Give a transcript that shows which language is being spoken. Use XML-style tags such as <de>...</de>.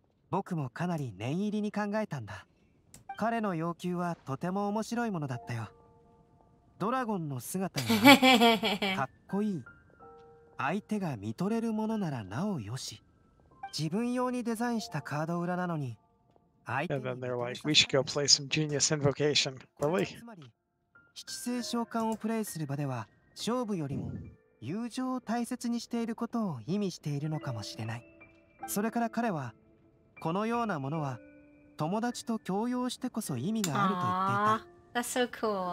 <ja>僕もかなり念入りに考えたんだ。彼の要求はとても面白いものだったよ。ドラゴンの姿がかっこいい相手が見とれるものならなおよし自分用にデザインしたカード裏なのに相手に</ja> <en>And then they're like, we should go play some genius invocation, really?</en> <ja>つまり七星召喚をプレイする場では勝負よりも友情を大切にしていることを意味しているのかもしれないそれから彼はこのようなものは友達と共用してこそ意味があると言っていた</ja> <en>That's so cool.</en>